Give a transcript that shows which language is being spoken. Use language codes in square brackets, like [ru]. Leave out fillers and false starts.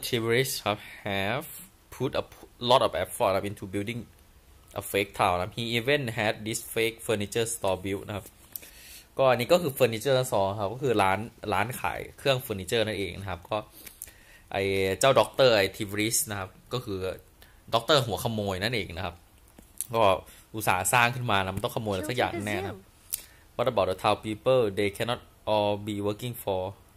[en] Tiberius have put a lot of effort into building a fake town. He even had this fake furniture store built. [th] นะครับก็อันนี้ก็คือ furniture store ครับก็คือร้านขายเครื่องเฟอร์นิเจอร์นั่นเองนะครับก็ไอเจ้าด็อกเตอร์ไอทิบริสนะครับก็คือด็อกเตอร์หัวขโมยนั่นเองนะครับก็อุตสาห์สร้างขึ้นมานะมันต้องขโมยสักอย่างแน่นะ [en] What about the town people? They cannot all be working for.